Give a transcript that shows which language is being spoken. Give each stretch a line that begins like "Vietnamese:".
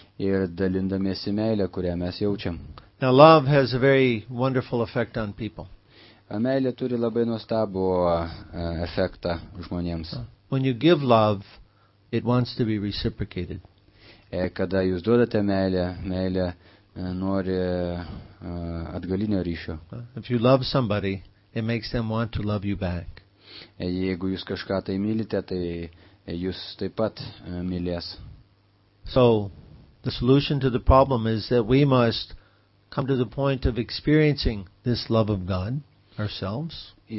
Lithuanian: Ir dalindamiesi meilę, kurią mes jaučiam.
English: Now love has a very wonderful effect on people.
Lithuanian: Meilė turi labai nuostabų efektą žmonėms.
English: When you give love, it wants to be reciprocated.
Lithuanian: Kada jūs duodate meilę, meilė nori atgalinio ryšio.
English: If you love somebody, it makes them want to love you back.
Lithuanian: Jeigu jūs kažką tai mylite, tai jūs taip pat mylės.
English: So, the solution to the problem is that we must come to the point of experiencing this love of God ourselves.